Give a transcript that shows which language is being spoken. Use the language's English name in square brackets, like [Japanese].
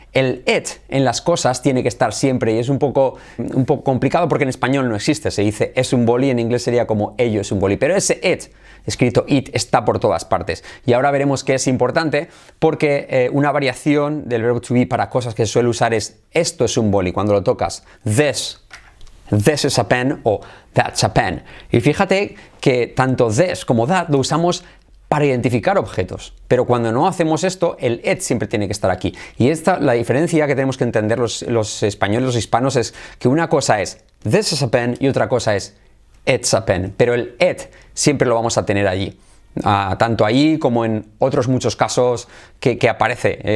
[Spanish] El it en las cosas tiene que estar siempre y es un poco complicado porque en español no existe. Se dice es un boli, en inglés sería como ello es un boli. Pero ese it, escrito it, está por todas partes. Y ahora veremos que es importante porque una variación del verbo to be para cosas que se suele usar es esto es un boli. Cuando lo tocas, [English] this is a pen [Spanish] o [English] that's a pen. [Spanish] Y fíjate que tanto this como that lo usamos para identificar objetos. Pero cuando no hacemos esto, el it siempre tiene que estar aquí. Y esta, la diferencia que tenemos que entender los españoles, los hispanos, es que una cosa es [English] this is a pen [Spanish] y otra cosa es [English] it's a pen. [Spanish] Pero el it siempre lo vamos a tener allí. Tanto ahí como en otros muchos casos que aparece.